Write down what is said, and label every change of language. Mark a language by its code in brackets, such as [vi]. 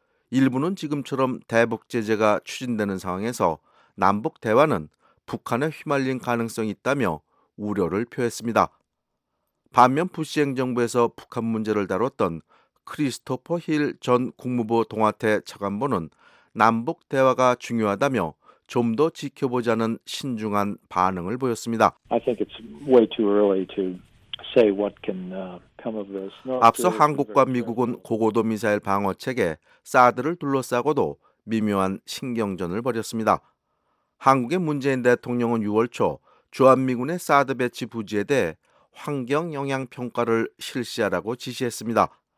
[ko] 일부는 지금처럼 대북 제재가 추진되는 상황에서 남북 대화는 북한에 휘말릴 가능성이 있다며 우려를 표했습니다. 반면 부시 행정부에서 북한 문제를 다뤘던 크리스토퍼 힐 전 국무부 동아태 차관보는 남북 대화가 중요하다며 좀 더 지켜보자는 신중한 반응을 보였습니다. [en] I think it's way too early to say what can come of this. [ko] 앞서 한국과 미국은 고고도 미사일 방어 체계 사드를 둘러싸고도 미묘한 신경전을 벌였습니다. 한국의 문재인 대통령은 6월 초 주한미군의 사드 배치 부지에 대해 환경 영향 평가를 실시하라고 지시했습니다.